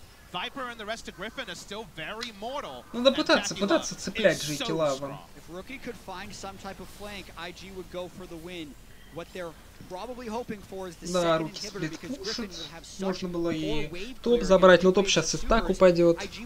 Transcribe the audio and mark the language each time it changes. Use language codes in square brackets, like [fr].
[en] Viper and the rest of Griffin are still very mortal. [ru] Надо пытаться цеплять Джейки Лава. [en] If Rookie could find some type of flank, IG would go for the win. What they're probably hoping for is the second inhibitor, because Griffin would have such more wave clear. [ru] Можно было и топ забрать, но топ сейчас и так упадет.